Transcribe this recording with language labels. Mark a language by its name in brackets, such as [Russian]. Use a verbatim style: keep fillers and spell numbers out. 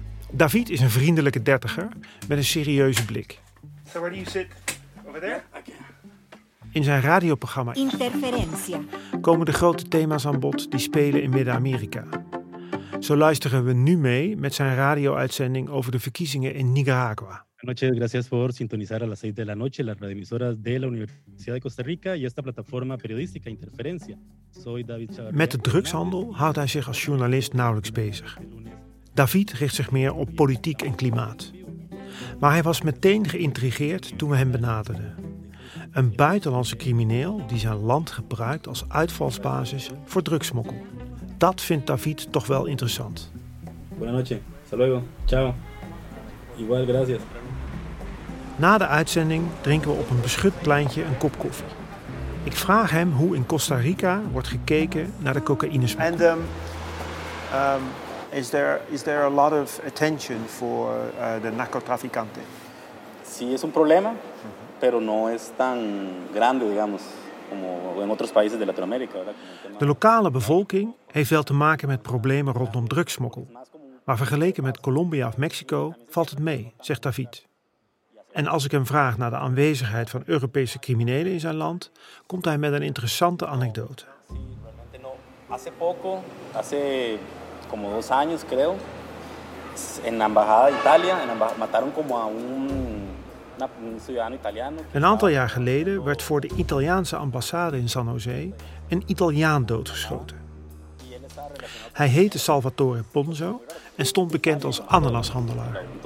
[Dutch] David is een vriendelijke dertiger met een serieuze blik. [English] So where do you sit? Over there? [Dutch] In zijn radioprogramma Interferencia komen de grote thema's aan bod die spelen in Midden-Amerika. Zo luisteren we nu mee met zijn radio-uitzending over de verkiezingen in Nicaragua. [Spanish] noches, gracias por sintonizar a las seis de la noche las radioemisoras de la Universidad de Costa Rica y esta plataforma periodística Interferencia. Soy David Chavarría. [Dutch] Met de drugshandel houdt hij zich als journalist nauwelijks bezig. David richt zich meer op politiek en klimaat. Maar hij was meteen geïntrigeerd toen we hem benaderden. Een buitenlandse crimineel die zijn land gebruikt als uitvalsbasis voor drugsmokkel. Dat vindt David toch wel interessant. [Spanish] Buenas noches, hasta luego, ciao. Igual, gracias. [Dutch] Na de uitzending drinken we op een beschut pleintje een kop koffie. Ik vraag hem hoe in Costa Rica wordt gekeken naar de cocaïnesmokkel. [English] And um, um, is there is there a lot of attention for uh, the narcotraficante? [Spanish] Sí, es un problema, pero no es tan grande, digamos, como en otros países de Latinoamérica. [Dutch] De lokale bevolking heeft wel te maken met problemen rondom drugsmokkel. Maar vergeleken met Colombia of Mexico valt het mee, zegt David. En als ik hem vraag naar de aanwezigheid van Europese criminelen in zijn land, komt hij met een interessante anekdote. [Spanish] Hace poco, hace como dos años creo, en la embajada de Italia, mataron como a un ciudadano italiano. [Dutch] Een aantal jaar geleden werd voor de Italiaanse ambassade in San José een Italiaan doodgeschoten. Hij heette Salvatore Ponzo en stond bekend als ananashandelaar.